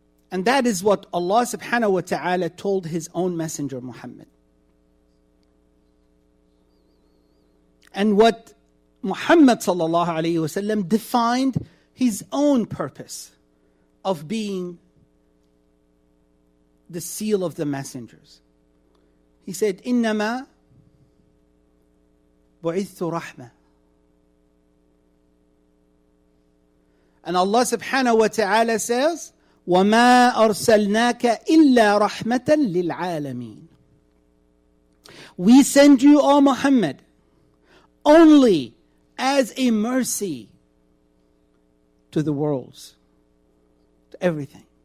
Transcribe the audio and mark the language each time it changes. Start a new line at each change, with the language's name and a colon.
English: And that is what Allah subhanahu wa ta'ala told His own messenger Muhammad. And what Muhammad sallallahu alayhi wa sallam defined His own purpose of being the seal of the messengers. He said,
Arabic: إِنَّمَا بُعِثُ رَحْمَةً.
English: And Allah subhanahu wa ta'ala says,
Arabic: وَمَا أَرْسَلْنَاكَ إِلَّا رَحْمَةً لِلْعَالَمِينَ.
English: We send you, O Muhammad, only as a mercy to the worlds. Everything.